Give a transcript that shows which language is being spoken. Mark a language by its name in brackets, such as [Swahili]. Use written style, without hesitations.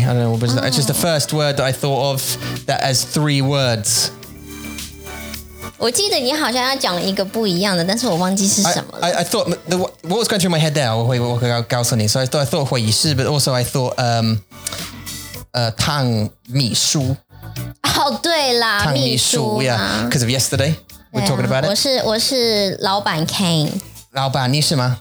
[English] I don't know, what was that? It's just the first word that I thought of that has three words. [Chinese] 我记得你好像要讲一个不一样的, 但是我忘记是什么了。 [English] I thought, what was going through my head there? [Chinese] 我会告诉你, [English] so I thought [Chinese] 会议室, [English] but also I thought, [Chinese] 汤秘书。哦,对啦, 汤秘书, [English] yeah, because of yesterday, we're talking about it. [Chinese] 我是老板Kane。老板,你是吗?